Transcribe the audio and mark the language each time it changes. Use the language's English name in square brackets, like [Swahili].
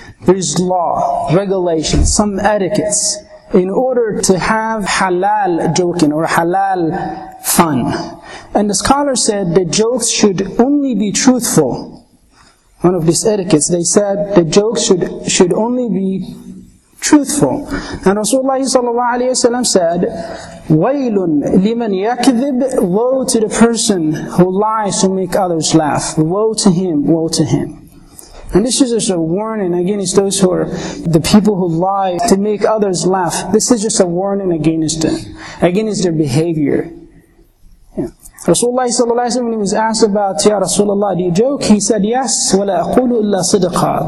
[English] There is law, regulation, some etiquettes in order to have halal joking or halal fun. And the scholar said that jokes should only be truthful. One of these etiquettes, they said the jokes should only be truthful. And Rasulullah ﷺ said, [Arabic] وَيْلٌ لِمَنْ يَكْذِبْ. [English] Woe to the person who lies to make others laugh. Woe to him, woe to him. And this is just a warning against those who are the people who lie to make others laugh. This is just a warning against them, against their behavior. Rasulullah sallallahu alaihi wasallam, when he was asked about, Ya Rasulullah, do you joke? He said, yes, [Arabic] وَلَا أَقُولُ إِلَّا صِدْقًا.